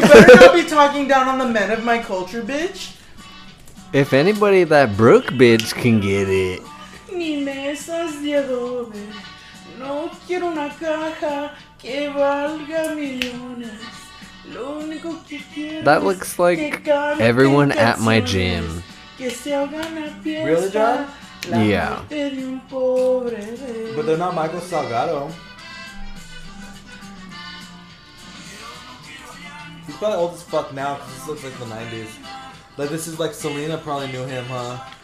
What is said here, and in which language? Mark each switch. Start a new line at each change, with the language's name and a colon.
English: better not be talking down on the men of my culture, bitch. If anybody, that Brooke bitch can get it.
Spanish: Ni mesas de adobe. No quiero una caja que valga millones. Lo único que quiero.
English: That looks like everyone at my gym. Really, John? Yeah. But they're not Michael Salgado. He's probably old as fuck now because this looks like the 90s. Like, this is like Selena probably knew him, huh?